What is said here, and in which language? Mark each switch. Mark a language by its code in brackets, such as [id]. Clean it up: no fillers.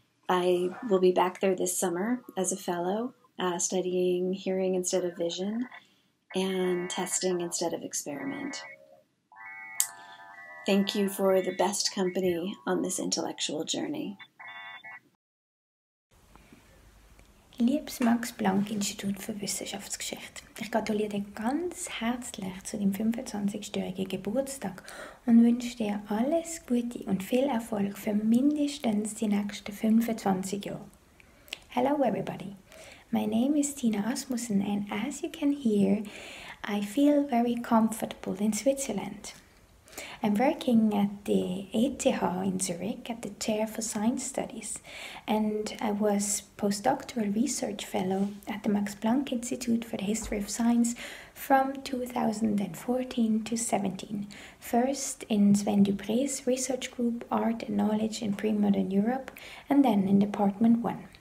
[en] I will be back there this summer as a fellow, studying hearing instead of vision, and testing instead of experiment. Thank you for the best company on this intellectual journey. [de] Liebes Max-Planck-Institut für Wissenschaftsgeschichte, ich gratuliere dir ganz herzlich zu deinem 25-jährigen Geburtstag und wünsche dir alles Gute und viel Erfolg für mindestens die nächsten 25 Jahre. [en] Hello everybody, my name is Tina Asmussen and as you can hear, I feel very comfortable in Switzerland. I'm working at the ETH in Zurich at the Chair for Science Studies, and I was postdoctoral research fellow at the Max Planck Institute for the History of Science from 2014 to 17, first in Sven Dupré's research group Art and Knowledge in Pre-Modern Europe, and then in Department 1.